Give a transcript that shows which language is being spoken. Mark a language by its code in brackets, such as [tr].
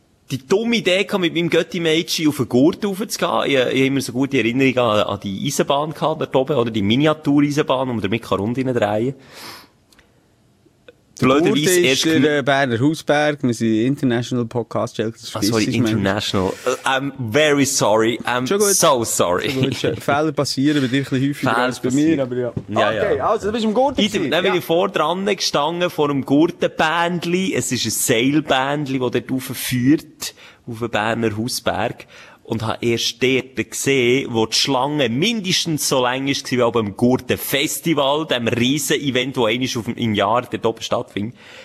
[de] Die dumme Idee kam mit meinem Götti-Mädchen auf den Gurt raufzugehen. Ich habe immer so gute Erinnerungen an die Eisenbahn gehabt, dort oben, oder die Miniatur-Eisenbahn, wo man damit rund rein drehen kann. Der Gurt ist der Berner Hausberg, wir sind [en] International Podcast, [de] International. [en] I'm very sorry, I'm so sorry. [de] Fehler passieren bei dir ein bisschen häufiger als bei mir, aber ja. Ja, okay, ja. Also du bist im Gurt gewesen. Dann bin ich vordran gestanden vor einem Gurtenbändli. Es ist ein Seilbändli, das dort aufführt, auf den Berner Hausberg. Und habe erst dort gesehen, wo die Schlange mindestens so lang ist wie auch beim Gurtenfestival, dem riesen Event, das einmal im Jahr dort oben stattfindet.